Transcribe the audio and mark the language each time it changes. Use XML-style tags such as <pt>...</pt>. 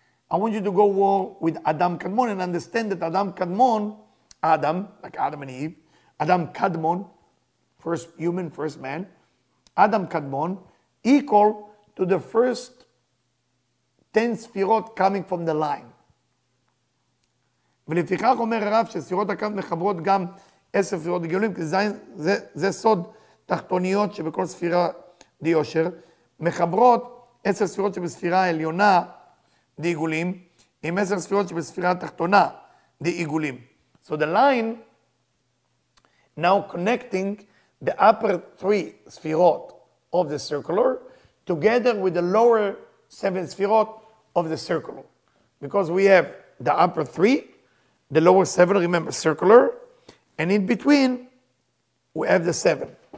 <en>I want you to go war with Adam Kadmon and understand that Adam Kadmon, Adam, like Adam and Eve, Adam Kadmon, first human, first man, Adam Kadmon, equal to the first 10 Sefirot coming from the line.</en> <he>ולפיכך אומר הרב שספירות הקו מחברות גם 10 ספירות דגלים, כי זה סוד תחתוניות שבכל ספירה דיושר, מחברות 10 ספירות שבספירה העליונה דעיגולים, עם 10 ספירות שבספירה התחתונה דעיגולים.</he> <en>So the line now connecting the upper three ספירות of the circular together with the lower seven ספירות of the circular. Because we have the upper three, the lower seven, remember, circular, and in between we have the seven.</en>